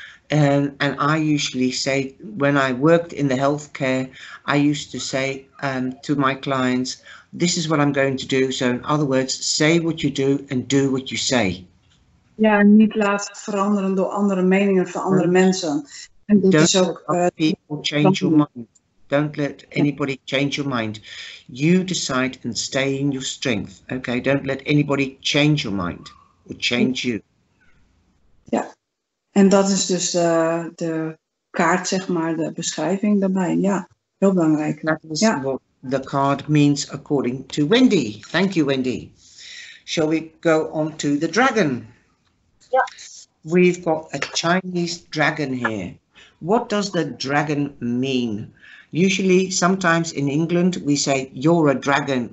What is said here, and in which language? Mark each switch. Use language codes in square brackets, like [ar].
[en] And I usually say, when I worked in the healthcare, I used to say to my clients, this is what I'm going to do. So in other words, say what you do and do what you say. [nl] Ja, niet laten veranderen door andere meningen van andere mensen. En dat [en] don't [nl] is ook, [en] let people change your mind. Don't let anybody change your mind. You decide and stay in your strength. Okay, don't let anybody change your mind or change you. [nl] Ja. En dat is dus de kaart, zeg maar, de beschrijving daarbij. Ja, heel belangrijk. [en] That is what the card means according to Wendy. Thank you, Wendy. Shall we go on to the dragon? Yes. We've got a Chinese dragon here. What does the dragon mean? Usually, sometimes in England, we say, you're a dragon.